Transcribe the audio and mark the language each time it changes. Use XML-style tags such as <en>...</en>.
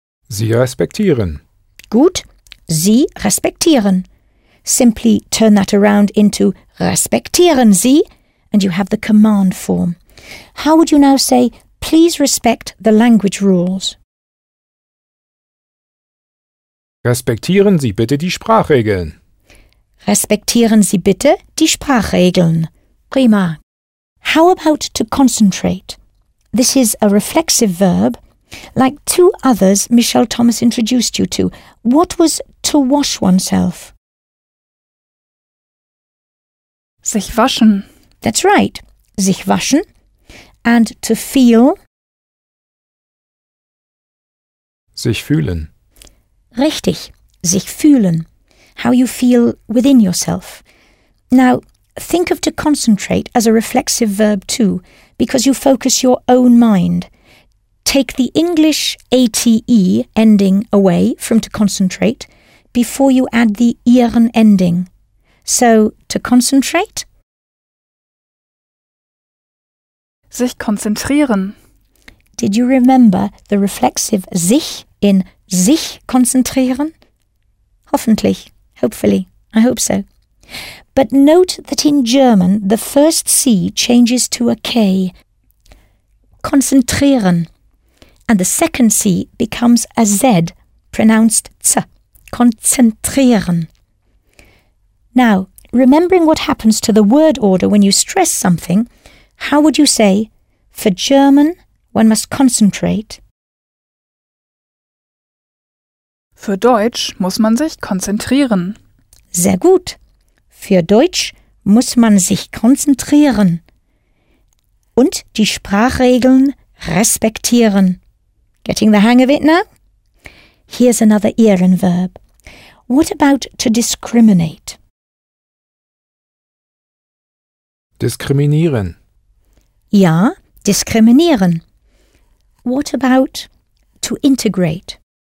<de>Sie respektieren. Gut. Sie respektieren.</de> <en>Simply turn that around into</en> <de>respektieren Sie,</de> <en>and you have the command form. How would you now say, please respect the language rules?</en> <de>Respektieren Sie bitte die Sprachregeln. Respektieren Sie bitte die Sprachregeln. Prima.</de> <en>How about to concentrate? This is a reflexive verb, like two others Michelle Thomas introduced you to. What was to wash oneself?</en> <de>Sich waschen.</de> <en>That's right.</en> <de>Sich waschen.</de> <en>And to feel?</en> <de>Sich fühlen. Richtig. Sich fühlen.</de> <en>How you feel within yourself. Now, think of to concentrate as a reflexive verb too, because you focus your own mind. Take the English A-T-E ending away from to concentrate before you add the Ehren ending. So, to concentrate?</en> <de>Sich konzentrieren.</de> <en>Did you remember the reflexive sich in</en> <de>sich konzentrieren? Hoffentlich.</de> <en>Hopefully. I hope so. But note that in German the first C changes to a K.</en> <de>Konzentrieren.</de> <en>And the second C becomes a Z, pronounced Z.</en> <de>Konzentrieren.</de> <en>Now, remembering what happens to the word order when you stress something, how would you say, for German, one must concentrate?</en> <de>Für Deutsch muss man sich konzentrieren. Sehr gut. Für Deutsch muss man sich konzentrieren. Und die Sprachregeln respektieren.</de> <en>Getting the hang of it now? Here's another Ehren verb. What about to discriminate?</en> <de>Diskriminieren. Ja, diskriminieren.</de> <en>What about to integrate?</en>